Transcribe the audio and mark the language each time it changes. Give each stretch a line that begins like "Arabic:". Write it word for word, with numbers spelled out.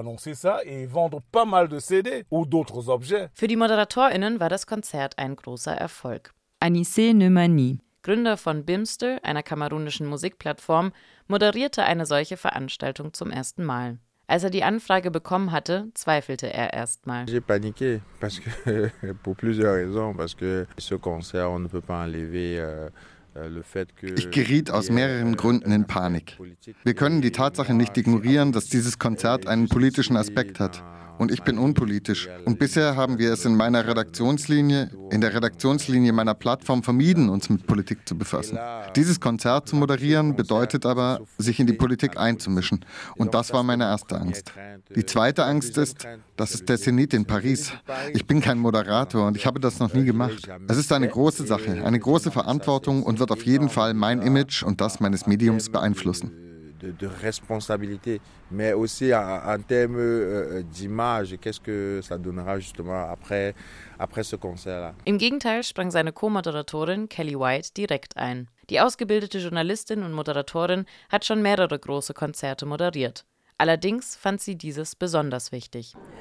German: Für die ModeratorInnen war das Konzert ein großer Erfolg. Anissé Nemani, Gründer von Bimster, einer kamerunischen Musikplattform, moderierte eine solche Veranstaltung zum ersten Mal. Als er die Anfrage bekommen hatte, zweifelte er erstmal.
French: Ich paniqué parce que pour plusieurs raisons parce que ce concert on ne peut pas enlever le fait que
German: Ich geriet aus mehreren Gründen in Panik. Wir können die Tatsache nicht ignorieren, dass dieses Konzert einen politischen Aspekt hat. Und ich bin unpolitisch. Und bisher haben wir es in meiner Redaktionslinie, in der Redaktionslinie meiner Plattform vermieden, uns mit Politik zu befassen. Dieses Konzert zu moderieren bedeutet aber, sich in die Politik einzumischen. Und das war meine erste Angst. Die zweite Angst ist, das ist der Zenit in Paris. Ich bin kein Moderator und ich habe das noch nie gemacht. Es ist eine große Sache, eine große Verantwortung und wird auf jeden Fall mein Image und das meines Mediums beeinflussen.
French: De, de responsabilité, mais aussi en termes euh, d'image. Qu'est-ce que ça donnera justement après, après ce concert-là?
German: Im Gegenteil sprang seine Co-Moderatorin Kelly White direkt ein. Die ausgebildete Journalistin und Moderatorin hat schon mehrere große Konzerte moderiert. Allerdings fand sie dieses besonders wichtig.